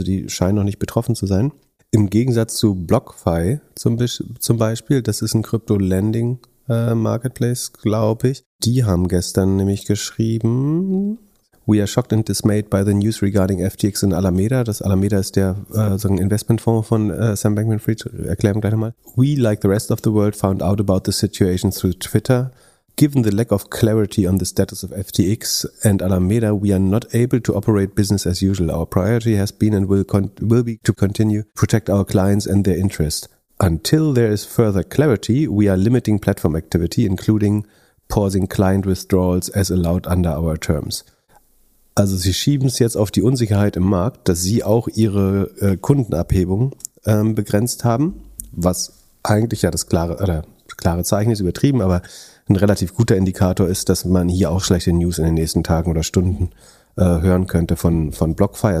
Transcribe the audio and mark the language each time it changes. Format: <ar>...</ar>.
<de>Also die scheinen noch nicht betroffen zu sein. Im Gegensatz zu BlockFi zum Beispiel, das ist ein Crypto-Lending-Marketplace, glaube ich. Die haben gestern nämlich geschrieben,</de> <en>we are shocked and dismayed by the news regarding FTX and Alameda.</en> <de>Das Alameda ist der so ein Investmentfonds von Sam Bankman-Fried, erklären wir gleich nochmal.</de> <en>We, like the rest of the world, found out about the situation through Twitter. Given the lack of clarity on the status of FTX and Alameda, we are not able to operate business as usual. Our priority has been and will be to continue to protect our clients and their interests. Until there is further clarity, we are limiting platform activity, including pausing client withdrawals as allowed under our terms.</en> <de>Also sie schieben es jetzt auf die Unsicherheit im Markt, dass sie auch ihre Kundenabhebung begrenzt haben, was eigentlich ja das klare Zeichen ist, übertrieben, aber ein relativ guter Indikator ist, dass man hier auch schlechte News in den nächsten Tagen oder Stunden hören könnte von BlockFi.</de>